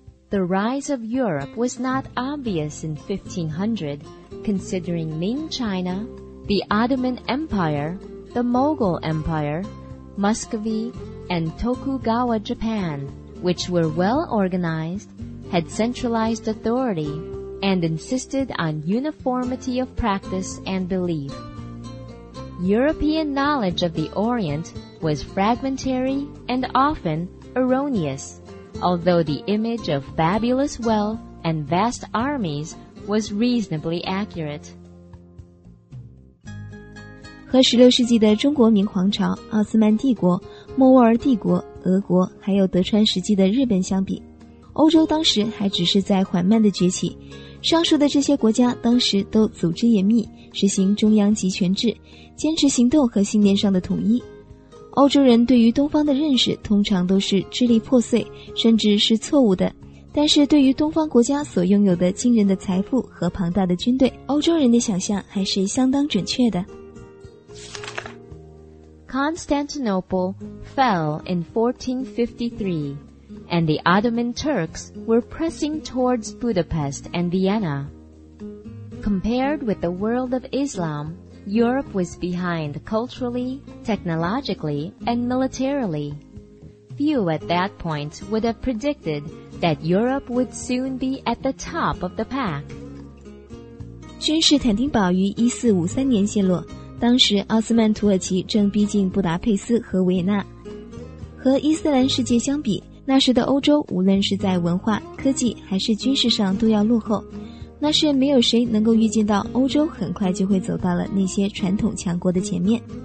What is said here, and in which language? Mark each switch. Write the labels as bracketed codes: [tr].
[en] The rise of Europe was not obvious in 1500, considering Ming China, the Ottoman Empire, the Mughal Empire, Muscovy, and Tokugawa Japan, which were well organized, had centralized authority, and insisted on uniformity of practice and belief. European knowledge of the Orient was fragmentary and often erroneous. Although the image of fabulous wealth and vast armies was reasonably accurate. [zh] 和16世纪的中国明皇朝、奥斯曼帝国、莫卧儿帝国、俄国还有德川时期的日本相比，欧洲当时还只是在缓慢的崛起。上述的这些国家当时都组织严密，实行中央集权制，坚持行动和信念上的统一。欧洲人对于东方的认识通常都是支离破碎，甚至是错误的，但是对于东方国家所拥有的惊人的财富和庞大的军队，欧洲人的想象还是相当准确的。 [en] Constantinople fell in 1453 and the Ottoman Turks were pressing towards Budapest and Vienna. Compared with the world of IslamEurope was behind culturally, technologically, and militarily. Few at that point would have predicted that Europe would soon be at the top of the pack. [zh] 君士坦丁堡于1453年陷落，当时奥斯曼土耳其正逼近布达佩斯和维也纳。和伊斯兰世界相比，那时的欧洲无论是在文化、科技还是军事上都要落后。那是没有谁能够预见到欧洲很快就会走到了那些传统强国的前面。